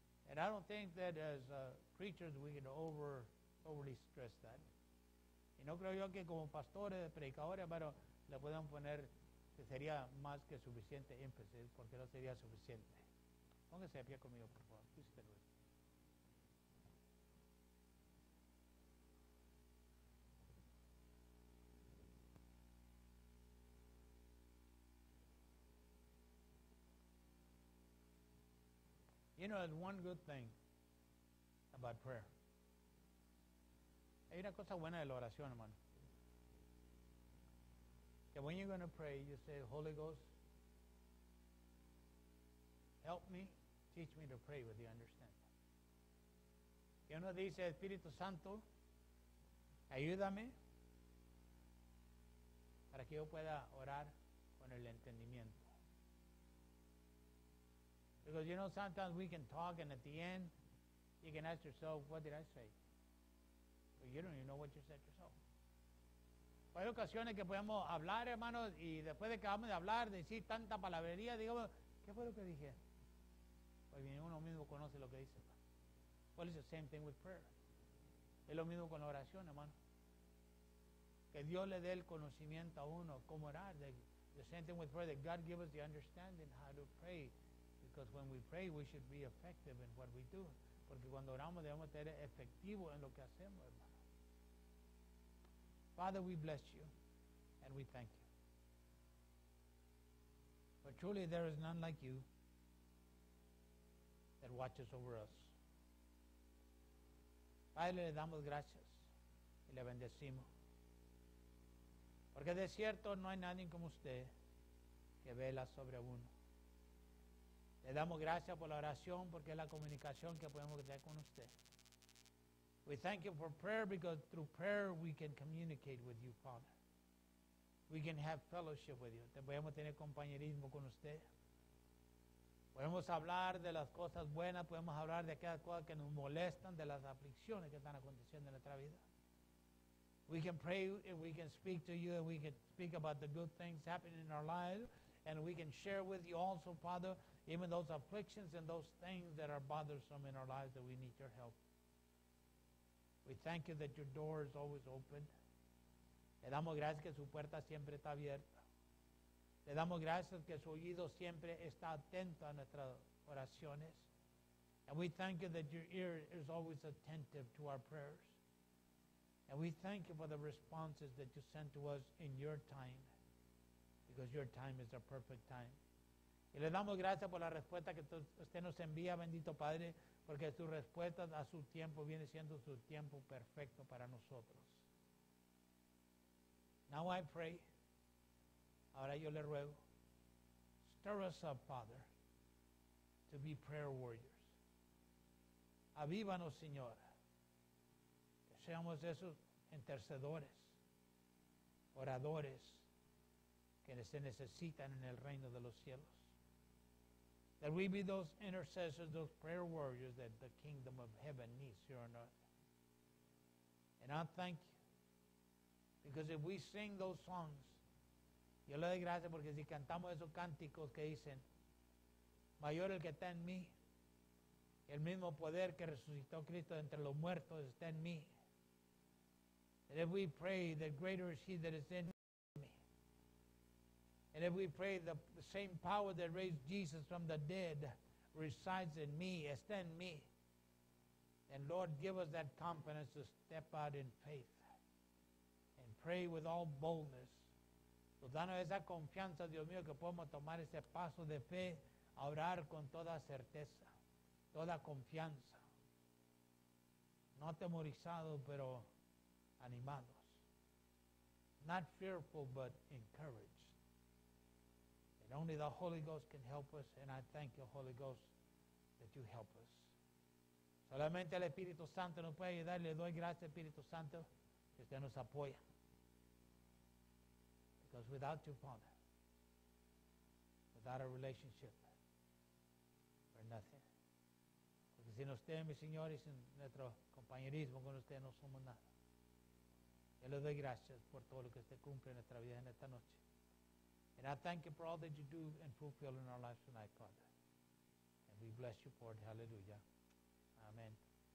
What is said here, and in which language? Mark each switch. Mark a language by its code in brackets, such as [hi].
[en] And I don't think that as preachers we can overly stress that. [es] Y no creo yo que como pastores, predicadores, pero le puedan poner que sería más que suficiente énfasis, porque no sería suficiente. Póngase de pie conmigo, por favor. [en] You know, there's one good thing about prayer. [es] Hay una cosa buena de la oración, hermano. [en] That when you're going to pray, you say, Holy Ghost, help me, teach me to pray with the understanding. [es] Y uno dice, Espíritu Santo, ayúdame para que yo pueda orar con el entendimiento. [en] Because, you know, sometimes we can talk, and at the end, you can ask yourself, what did I say? But you don't even know what you said yourself. [es] Hay ocasiones que podemos hablar, hermanos, y después de que acabamos de hablar, decir tanta palabrería, digamos, ¿qué fue lo que dije? Pues bien, uno mismo conoce lo que dice. [en] Well, it's the same thing with prayer. [es] Es lo mismo con la oración, hermano. Que Dios le dé el conocimiento a uno, cómo orar. [en] The same thing with prayer, that God give us the understanding how to pray. Because when we pray, we should be effective in what we do. [es] Porque cuando oramos, debemos ser efectivos en lo que hacemos, hermano. [en] Father, we bless you, and we thank you. But truly, there is none like you that watches over us. [es] Padre, le damos gracias y le bendecimos. Porque de cierto, no hay nadie como usted que vela sobre uno. Le damos gracias por la oración porque es la comunicación que podemos tener con usted. [en] We thank you for prayer because through prayer we can communicate with you, Father. We can have fellowship with you. [es] Podemos tener compañerismo con usted. Podemos hablar de las cosas buenas, podemos hablar de aquellas cosas que nos molestan, de las aflicciones que están aconteciendo en nuestra vida. [en] We can pray and we can speak to you and we can speak about the good things happening in our lives and we can share with you also, Father, even those afflictions and those things that are bothersome in our lives that we need your help. We thank you that your door is always open. [es] Le damos gracias que su puerta siempre está abierta. Le damos gracias que su oído siempre está atento a nuestras oraciones. [en] And we thank you that your ear is always attentive to our prayers. And we thank you for the responses that you sent to us in your time. Because your time is a perfect time. [es] Y le damos gracias por la respuesta que usted nos envía, bendito Padre, porque su respuesta a su tiempo viene siendo su tiempo perfecto para nosotros. [en] Now I pray, [es] ahora yo le ruego, [en] stir us up, Father, to be prayer warriors. [es] Avívanos, Señor, que seamos esos intercedores, oradores, que se necesitan en el reino de los cielos. [en] That we be those intercessors, those prayer warriors that the kingdom of heaven needs here on earth. And I thank you. Because if we sing those songs, [es] yo le doy gracias porque si cantamos esos cánticos que dicen, mayor el que está en mí, el mismo poder que resucitó Cristo entre los muertos está en mí. [en] And if we pray that greater is he that is in me. And if we pray the same power that raised Jesus from the dead resides in me, extend me, then Lord, give us that confidence to step out in faith and pray with all boldness. [es] Danos esa confianza, Dios mío, que podemos tomar ese paso de fe, a orar con toda certeza, toda confianza. No atemorizado, pero animados. [en] Not fearful, but encouraged. And only the Holy Ghost can help us, and I thank you, Holy Ghost, that you help us. [es] Solamente el Espíritu Santo nos puede ayudar. Le doy gracias, Espíritu Santo, que usted nos apoya. [en] Because without you, Father, without a relationship, we're nothing. [es] Porque sin usted, mi Señor, y sin nuestro compañerismo con usted, no somos nada. Yo le doy gracias por todo lo que usted cumple en nuestra vida en esta noche. [en] And I thank you for all that you do and fulfill in our lives tonight, Father. And we bless you for it. Hallelujah. Amen.